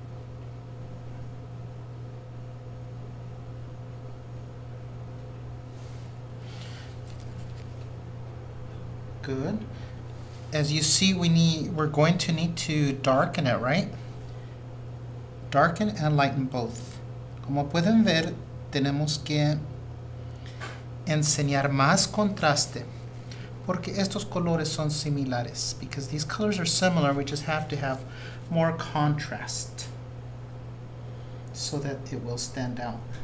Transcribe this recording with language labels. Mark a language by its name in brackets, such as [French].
[English] Okay. good. As you see, we're going to need to darken it, right? Darken and lighten both. [Spanish] Como pueden ver, tenemos que enseñar más contraste. Porque estos colores son similares. [English] Because these colors are similar, we just have to have more contrast so that it will stand out.